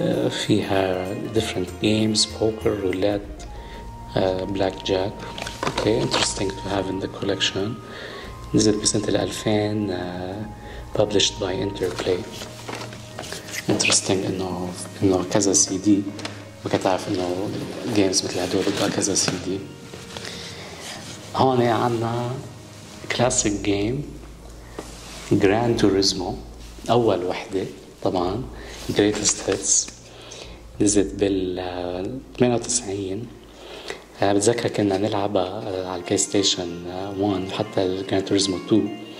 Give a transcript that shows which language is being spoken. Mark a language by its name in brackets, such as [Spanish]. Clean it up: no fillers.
[Arabic] فيها [English] different games, [Arabic] بوكر, رولات, بلاك جاك. [English] Okay interesting to have in the collection. [Arabic] نزل بسنة 2000 [English] published by Interplay. [Arabic] Interesting إنه كذا سي دي. ما كنت عارف إنه games مثل هدول كذا سي دي. هون عنا [English] classic game [Arabic] Gran Turismo أول وحدة طبعا greatest hits. نزلت بال 98. بتذكر كنا نلعبها على البلاي ستيشن 1 حتى الجراند توريزمو 2.